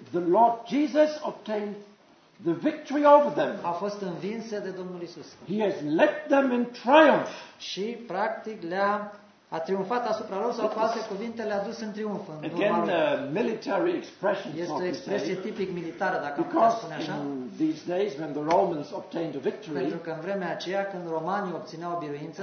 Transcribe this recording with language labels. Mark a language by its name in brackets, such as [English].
[English] The Lord Jesus obtained the victory over them. [Romanian] A fost învinse de Domnul Isus. [English] He has led them in triumph. [Romanian] Și practic le-a triumfat asupra lor, sau cu alte cuvinte le-a dus în triumf. În [English] again, a military expression. [Romanian] Este o expresie tipic militară, dacă am putea spune așa. [English] Because in these days when the Romans obtained a victory. [Romanian] Pentru că în vremea aceea când romanii obțineau biruință.